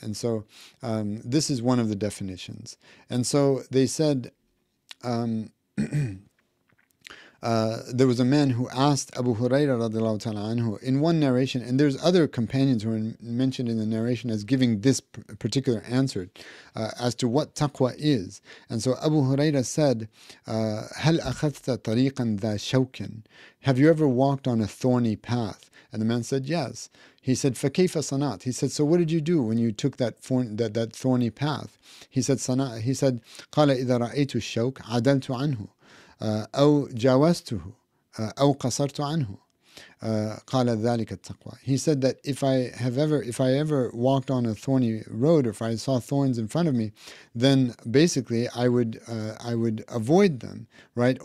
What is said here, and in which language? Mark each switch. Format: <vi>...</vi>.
<en>And so this is one of the definitions. And so they said, there was a man who asked Abu Huraira radiallahu ta'ala anhu, in one narration, and there's other companions who are mentioned in the narration as giving this particular answer as to what taqwa is. And so Abu Huraira said, هَلْ أَخَذْتَ طَرِيقًا ذَا شَوْكٍ. Have you ever walked on a thorny path? And the man said, yes. He said, فَكَيْفَ صَنَعْتَ. He said, so what did you do when you took that thorny path?</en> <ar>He said, قَالَ إِذَا رَأَيْتُ الشَّوْكَ عَدَلْتُ عَنْهُ. أو جاوزته أو قصرت عنه قال ذلك التقوى.</ar> <en>He said that if I ever walked on a thorny road, or if I saw thorns in front of me, then basically I would avoid them, right?</en>